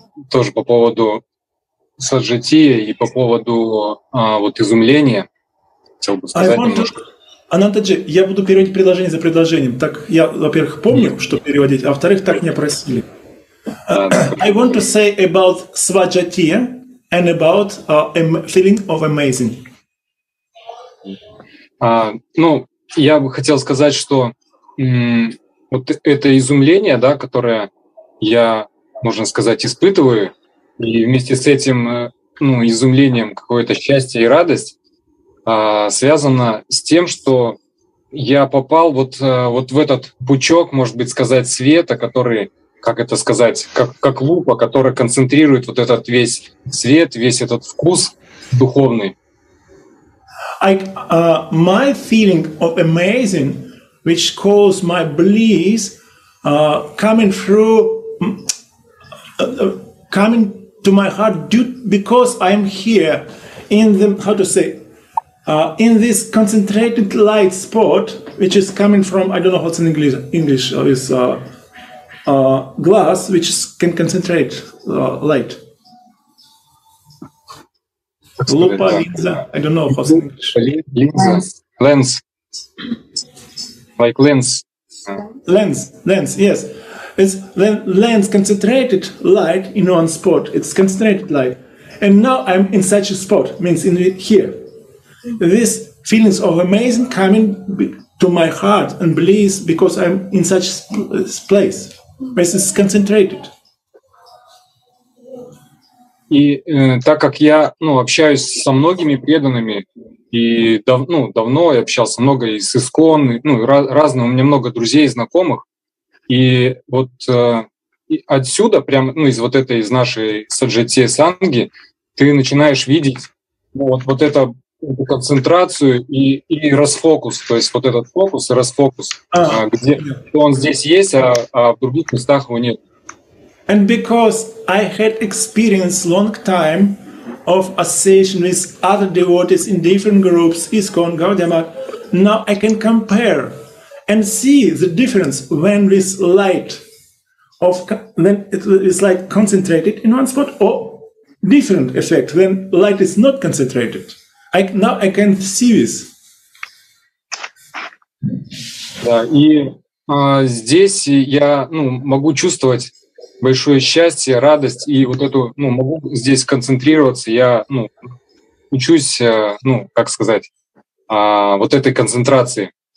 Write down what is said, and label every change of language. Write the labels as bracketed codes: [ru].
[ru] Тоже по поводу саджития и по поводу вот изумления. Хотел бы сказать немножко. Ананта-джи, я буду переводить предложение за предложением. Так я, во-первых, помню, что переводить, а во-вторых, так меня просили. [en] I want to say about svajatiya and about feeling of amazing. [ru] Ну, я бы хотел сказать, что вот это изумление, да, которое я, можно сказать, испытываю, и вместе с этим изумлением какое-то счастье и радость, связано с тем, что я попал вот в этот пучок, может быть, сказать, света, который, как это сказать, как лупа, которая концентрирует вот этот весь свет, весь этот вкус духовный. [en] My feeling of amazing, which calls my bliss, coming through, coming to my heart, because I'm here in the, how to say, in this concentrated light spot, which is coming from, I don't know what's in English, is glass, which can concentrate light. Lupa, linza, I don't know what's in English. Lens. Like lens. Lens, yes. It's lens, concentrated light in one spot. It's concentrated light. And now I'm in such a spot, means in here. This feelings of amazing coming to my heart and bliss because I'm in such place. This is concentrated. [ru] И так как я, общаюсь со многими преданными и давно я общался много и с ИСКОН, разные, у меня много друзей и знакомых. И вот отсюда прям, из вот этой, из нашей саджатии санги, ты начинаешь видеть вот это концентрацию и расфокус, то есть вот этот фокус и расфокус, где он здесь есть, а в других местах его нет. [en] And because I had experience long time of association with other devotees in different groups, ISKCON, Gaudiya Math, now I can compare and see the difference when this light of when it is like concentrated in one spot or different effect when light is not concentrated. Now I can see this. [ru] Да, и здесь я могу чувствовать большое счастье, радость, и вот эту, ну, могу здесь концентрироваться, я, ну, учусь, ну, как сказать, вот этой концентрации.